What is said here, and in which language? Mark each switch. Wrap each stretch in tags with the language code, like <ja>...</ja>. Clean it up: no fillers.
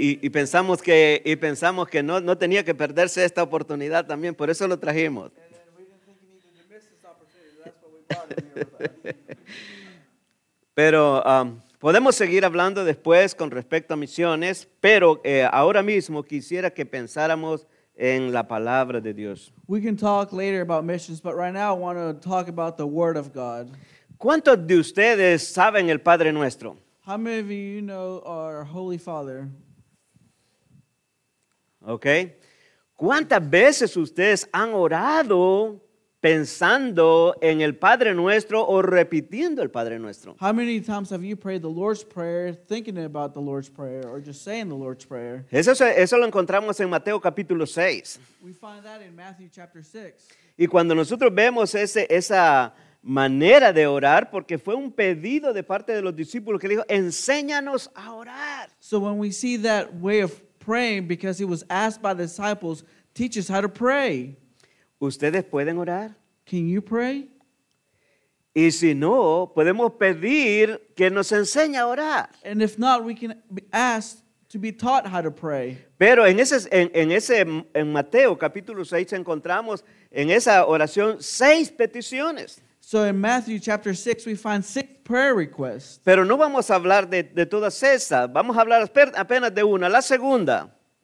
<es>Pensamos que no tenía que perderse esta oportunidad también, por eso lo trajimos.</es> <en>And then we didn't think he needed to miss this opportunity. That's what we brought him here with us.</en> <es>Pero podemos seguir hablando después con respecto a misiones, pero ahora mismo quisiera que pensáramos en la palabra de Dios.</es> <en>We can talk later about missions, but right now I want to talk about the Word of God.</en> <es>¿Cuántos de ustedes saben el Padre Nuestro?</es> <en>How many of you know our Holy Father?</en> <es>Okay. ¿Cuántas veces ustedes han orado pensando en el Padre Nuestro o repitiendo el Padre Nuestro?</es> <en>How many times have you prayed the Lord's Prayer, thinking about the Lord's Prayer, or just saying the Lord's Prayer?</en> <es>Eso lo encontramos en Mateo capítulo 6.</es> <en>We find that in Matthew chapter 6.</en> <es>Y cuando nosotros vemos esa manera de orar, porque fue un pedido de parte de los discípulos que dijo, enséñanos a orar.</es> <en>So when we see that way of praying, because it was asked by the disciples, teach us how to pray.</en> <es>¿Ustedes pueden orar?</es> <en>Can you pray?</en> <es>Y si no, podemos pedir que nos enseñe a orar.</es> <en>And if not, we can ask to be taught how to pray.</en> <es>Pero en Mateo capítulo 6 encontramos en esa oración 6 peticiones.</es> <en>So in Matthew chapter 6 we find 6 prayer requests.</en> <es>Pero no vamos a hablar de todas esas, vamos a hablar apenas de una, la segunda.</es>